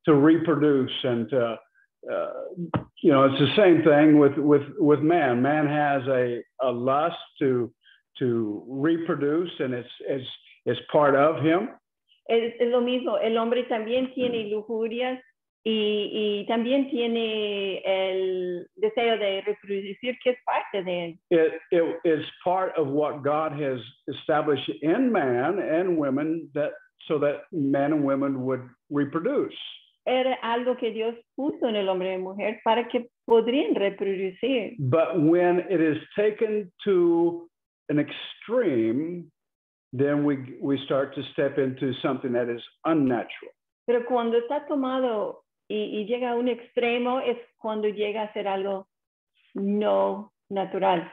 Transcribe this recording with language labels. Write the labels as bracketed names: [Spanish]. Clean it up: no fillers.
[English] To reproduce and to, you know, it's the same thing with man. Man has a lust to reproduce, and it's part of him. [Spanish] Es lo mismo. El hombre también tiene lujurias. Y también tiene el deseo de reproducir, que es parte de él. [English] It is part of what God has established in man and women, that so that men and women would reproduce. [Spanish] Era algo que Dios puso en el hombre y mujer para que podrían reproducir. [English] But when it is taken to an extreme, then we start to step into something that is unnatural. [Spanish] Pero cuando está tomado y llega a un extremo, es cuando llega a ser algo no natural.